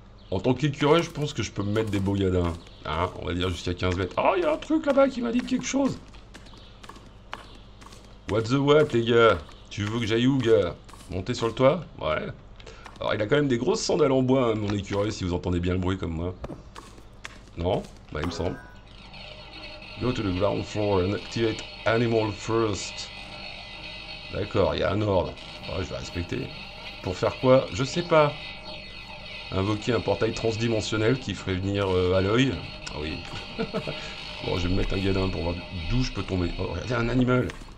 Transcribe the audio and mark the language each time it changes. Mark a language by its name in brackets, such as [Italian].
[French] En tant qu'écureuil, je pense que je peux me mettre des beaux gadins. Hein, on va dire jusqu'à 15 mètres. Oh, il y a un truc là-bas qui m'a dit quelque chose. [English] What the what, [French] les gars? Tu veux que j'aille où, gars? Monter sur le toit? Ouais. Alors, il a quand même des grosses sandales en bois, hein, mon écureuil, si vous entendez bien le bruit comme moi. Non? Bah, il me semble. [English] Go to the ground floor and activate animal first. [French] D'accord, il y a un ordre. Ouais, je vais respecter. Pour faire quoi? Je sais pas. Invoquer un portail transdimensionnel qui ferait venir Aloy. Ah oui. Bon, je vais me mettre un gadin pour voir d'où je peux tomber. Oh, regardez, un animal.